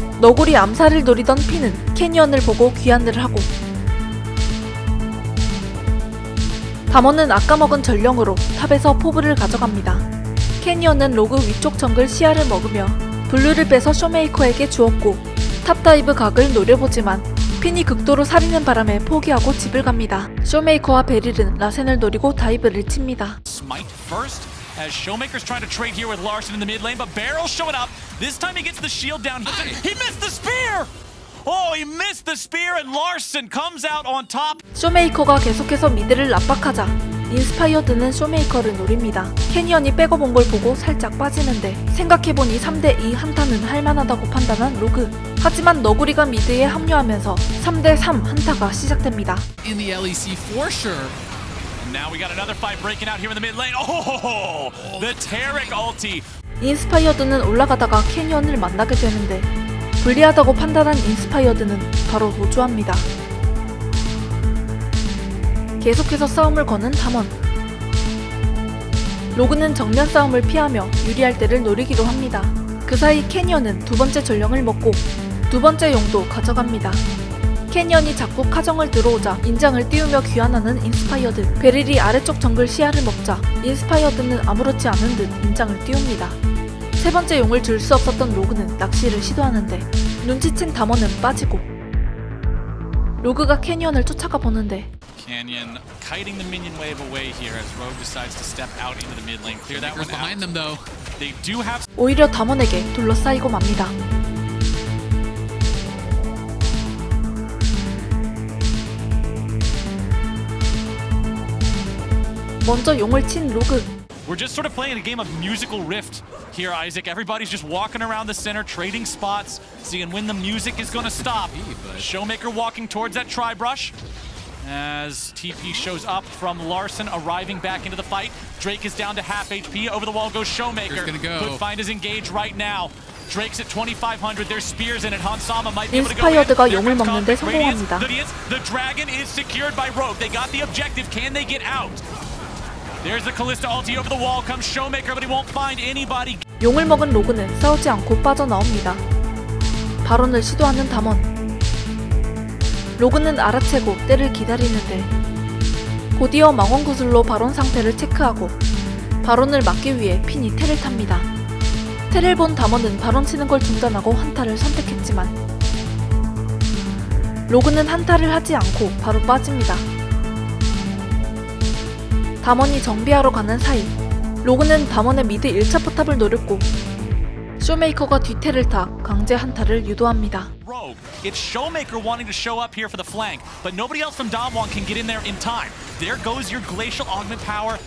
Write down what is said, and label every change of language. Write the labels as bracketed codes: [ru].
[ko] 너구리 암살을 노리던 핀은 캐니언을 보고 귀환을 하고 담원은 아까 먹은 전령으로 탑에서 포부를 가져갑니다. 캐니언은 로그 위쪽 정글 시야를 먹으며 블루를 빼서 쇼메이커에게 주었고 탑다이브 각을 노려보지만 핀이 극도로 살이는 바람에 포기하고 집을 갑니다. 쇼메이커와 베릴은 라센을 노리고 다이브를 칩니다. [en] Smite first as Showmaker's trying to trade here with Larsen in the mid lane, but Barrel showing up. This time he gets the shield down. He missed the spear. Oh, he missed the spear and Larsen comes out on top. [ko] 쇼메이커가 계속해서 미드를 압박하자 인스파이어드는 쇼메이커를 노립니다. 캐니언이 백업 온 걸 보고 살짝 빠지는데 생각해보니 3대2 한타는 할만하다고 판단한 로그. 하지만 너구리가 미드에 합류하면서 3대3 한타가 시작됩니다. [en] In the LEC for sure. Now we got another fight breaking out here in the mid lane. Oh, the Taric ulti. [ko] 인스파이어드는 올라가다가 캐니언을 만나게 되는데 불리하다고 판단한 인스파이어드는 바로 노주합니다. 계속해서 싸움을 거는 담원. 로그는 정면 싸움을 피하며 유리할 때를 노리기도 합니다. 그 사이 캐니언은 두 번째 전령을 먹고 두 번째 용도 가져갑니다. 캐니언이 자꾸 카정을 들어오자 인장을 띄우며 귀환하는 인스파이어드. 베릴이 아래쪽 정글 시야를 먹자 인스파이어드는 아무렇지 않은 듯 인장을 띄웁니다. 세 번째 용을 줄 수 없었던 로그는 낚시를 시도하는데 눈치챈 담원은 빠지고 로그가 캐니언을 쫓아가 보는데 [en] Canyon kiting the minion wave away here as Rogue decides to step out into the mid lane. Clear that one behind them though. They do have [ko] 오히려 담원에게 둘러싸이고 맙니다. 먼저 용을 친 로그. [en] We're just sort of playing a game of musical rift here, Isaac. Everybody's just walking around the center, trading spots, seeing when the music is going to stop. Showmaker walking towards that tri brush. As TP shows up from Larsen, arriving back into the fight. Drake is down to half HP. Over the wall goes Showmaker. Could find his engage right now. Drake's at 2500. There's spears in it. Hansama might be able to go in. [ko] 인스파이어드가 용을 먹는데 성공합니다. [en] Radiance. The dragon is secured by Rogue. They got the objective. Can they get out? There's the Kalista ulti over the wall. Comes Showmaker, but he won't find anybody. [ko] 용을 먹은 로그는 싸우지 않고 빠져나옵니다. 발언을 시도하는 담원. 로그는 알아채고 때를 기다리는데 곧이어 망원 구슬로 바론 상태를 체크하고 바론을 막기 위해 핀이 테를 탑니다. 테를 본 담원은 바론 치는 걸 중단하고 한타를 선택했지만 로그는 한타를 하지 않고 바로 빠집니다. 담원이 정비하러 가는 사이 로그는 담원의 미드 1차 포탑을 노렸고 쇼메이커가 뒤태를 타 강제 한타를 유도합니다. [en] Rogue, it's Showmaker wanting to show up here for the flank, but nobody else from Damwon can get in there in time. There goes your glacial augment power.